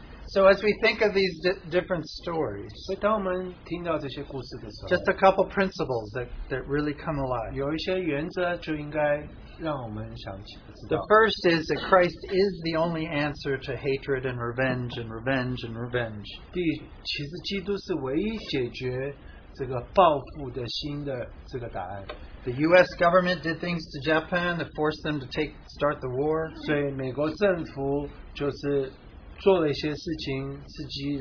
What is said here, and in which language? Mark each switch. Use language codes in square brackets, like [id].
[en] So as we think of these different stories, [zh] 所以当我们听到这些故事的时候, [en] just a couple principles that really come alive. [zh] 有一些原则就应该让我们想起, [en] the first is that Christ is the only answer to hatred and revenge and revenge and revenge. [zh] 其实基督是唯一解决这个报复的心的这个答案。 [en] The U.S. government did things to Japan that forced them to start the war. [zh] 所以美国政府就是 做了一些事情刺激,